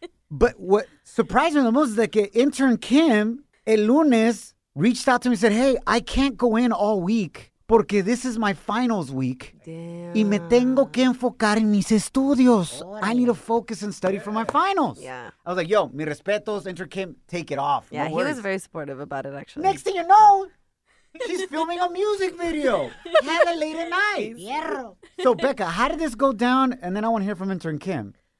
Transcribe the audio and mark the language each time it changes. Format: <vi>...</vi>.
<en>But what surprised me the most is that intern Kim,</en> <es>el lunes,</es> <en>reached out to me and said, hey, I can't go in all week</en> <es>porque</es> <en>this is my finals week. Damn.</en> <es>Y me tengo que enfocar en mis estudios.</es> <en>I need to focus and study for my finals. Yeah. I was like, yo,</en> <es>mis respetos,</es> <en>intern Kim, take it off. Yeah, he was very supportive about it, actually. Next thing you know, she's filming a music video. Hella late at night. So, Becca, how did this go down? And then I want to hear from intern Kim.</en>